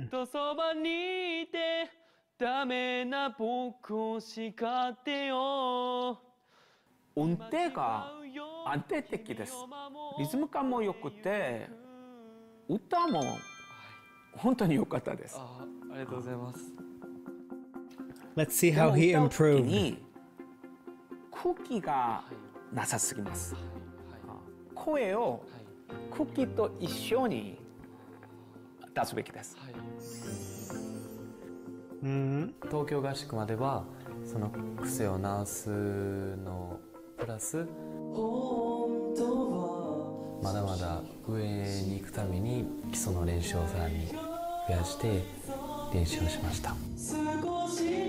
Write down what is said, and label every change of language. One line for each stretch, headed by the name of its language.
Japanese: ずっとそばにいて、ダメな僕を叱ってよ。音程が安定的です。リズム感も良くて、歌も本当に良かったです。ありがとうございます。
English: Let's see how he improved.
Japanese: 空気がなさすぎます。声を空気と一緒に出すべきです。東京合宿まではその癖を直すのプラス、まだまだ上に行くために基礎の練習をさらに増やして練習をしました。